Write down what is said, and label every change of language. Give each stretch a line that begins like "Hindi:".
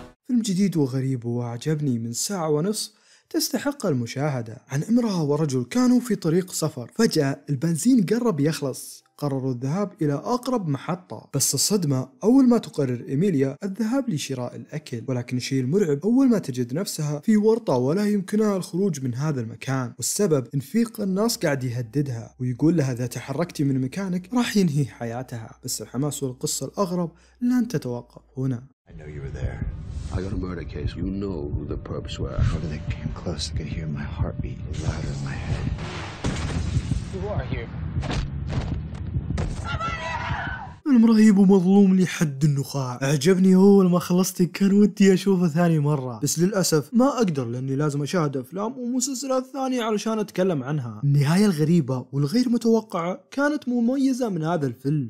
Arabic: جديد وغريب وعجبني من 1.5 ساعة تستحق المشاهدة، عن امرأة ورجل كانوا في طريق سفر، فجأة البنزين قرب يخلص، قرروا الذهاب إلى أقرب محطة، بس الصدمة أول ما تقرر إيميليا الذهاب لشراء الأكل، ولكن الشيء المرعب أول ما تجد نفسها في ورطة ولا يمكنها الخروج من هذا المكان، والسبب إن في قناص قاعد يهددها ويقول لها إذا تحركتي من مكانك راح ينهي حياتها، بس الحماس والقصة الأغرب لن تتوقف هنا.
English: I got a murder case. You know who the perps were. Whenever they came close, I could hear my heartbeat louder in my head. Who are you?
Arabic: المرهيب ومظلوم لحد النخاع. أعجبني أول ما خلصت كان ودي أشوفه ثاني مرة، بس للأسف ما أقدر لأني لازم أشاهد أفلام ومسلسلات ثانية علشان أتكلم عنها. النهاية الغريبة والغير متوقعة كانت مميزة من هذا الفيلم.